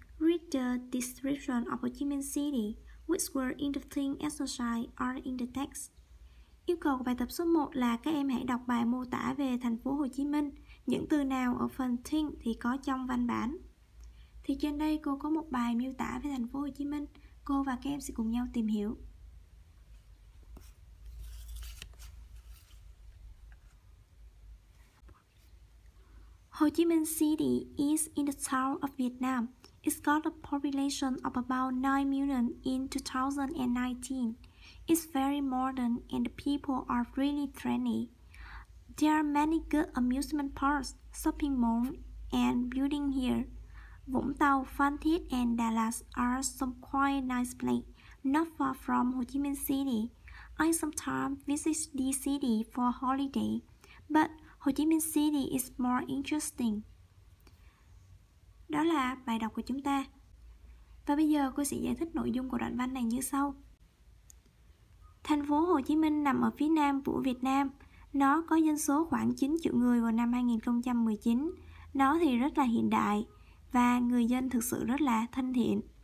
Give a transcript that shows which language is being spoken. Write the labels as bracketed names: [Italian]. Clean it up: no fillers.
[English] Read the description of Ho Chi Minh City. Which word in the thing exercise are in the text? [Vietnamese] Yêu cầu của bài tập số 1 là các em hãy đọc bài mô tả về thành phố Hồ Chí Minh. Những từ nào ở phần thing thì có trong văn bản. Thì trên đây cô có một bài miêu tả về thành phố Hồ Chí Minh. Cô và các em sẽ cùng nhau tìm hiểu. [English] Ho Chi Minh City is in the south of Vietnam. It's got a population of about 9 million in 2019. It's very modern and the people are really friendly. There are many good amusement parks, shopping malls, and buildings here. Vũng Tàu, Phan Thiết, and Dallas are some quite nice places, not far from Ho Chi Minh City. I sometimes visit this city for holiday, but Ho Chi Minh City is more interesting. [Vietnamese] Đó là bài đọc của chúng ta. Và bây giờ cô sẽ giải thích nội dung của đoạn văn này như sau. Thành phố Hồ Chí Minh nằm ở phía nam của Việt Nam. Nó có dân số khoảng 9 triệu người vào năm 2019. Nó thì rất là hiện đại và người dân thực sự rất là thân thiện.